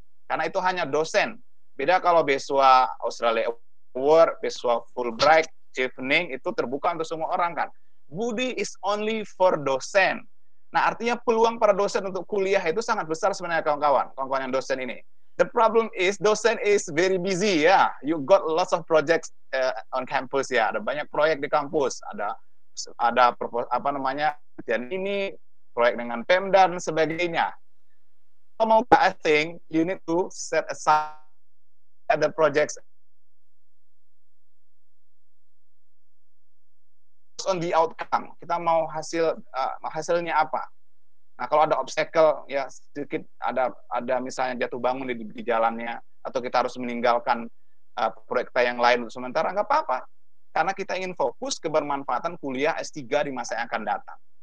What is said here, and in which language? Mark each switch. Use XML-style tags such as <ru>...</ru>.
<id>Karena itu hanya dosen. Beda kalau beasiswa Australia Award, beasiswa Fulbright, Chevening, itu terbuka untuk semua orang kan.</id> <en>Budi is only for dosen.</en> <id>Nah, artinya peluang para dosen untuk kuliah itu sangat besar sebenarnya kawan-kawan, kawan-kawan yang dosen ini.</id> <en>The problem is, dosen is very busy, ya. Yeah. You got lots of projects on campus, ya. Yeah.</en> <id>Ada banyak proyek di kampus. Ada apa namanya, dan ini, proyek dengan Pemda dan sebagainya. Kalau mau,</id> <en>I think, you need to set aside the projects on the outcome.</en> <id>Kita mau hasil hasilnya apa? Nah, kalau ada obstacle ya sedikit ada misalnya jatuh bangun di jalannya atau kita harus meninggalkan proyek kita yang lain untuk sementara enggak apa-apa. Karena kita ingin fokus ke bermanfaatan kuliah S3 di masa yang akan datang.</id>